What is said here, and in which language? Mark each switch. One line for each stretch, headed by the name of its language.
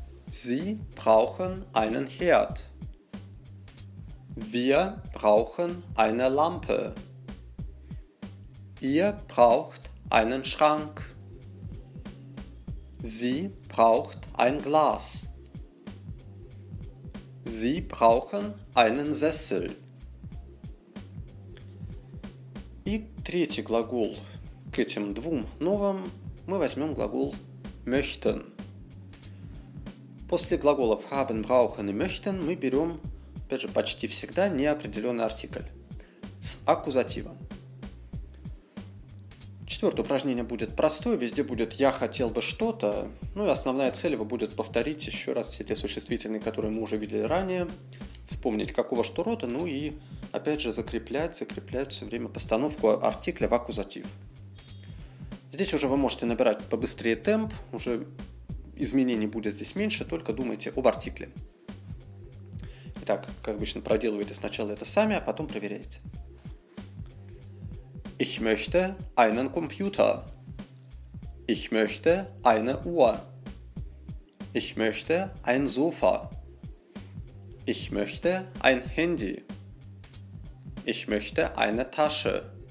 German: Sie brauchen einen Herd. Wir brauchen eine Lampe. Ihr braucht einen Schrank. Sie braucht ein Glas. Sie brauchen einen Sessel.
Russian: И третий глагол к этим двум новым мы возьмем глагол möchten. После глаголов haben, brauchen и möchten мы берем, опять же, почти всегда неопределенный артикль с аккузативом. Четвертое упражнение будет простое, везде будет «я хотел бы что-то», ну и основная цель его будет повторить еще раз все те существительные, которые мы уже видели ранее, вспомнить какого что рода, ну и опять же закреплять все время постановку артикля в аккузатив. Здесь уже вы можете набирать побыстрее темп, уже изменений будет здесь меньше, только думайте об артикле. Итак, как обычно, проделывайте сначала это сами, а потом проверяйте.
German: Ich möchte einen Computer. Ich möchte eine Uhr. Ich möchte ein Sofa. Ich möchte ein Handy. Ich möchte eine Tasche.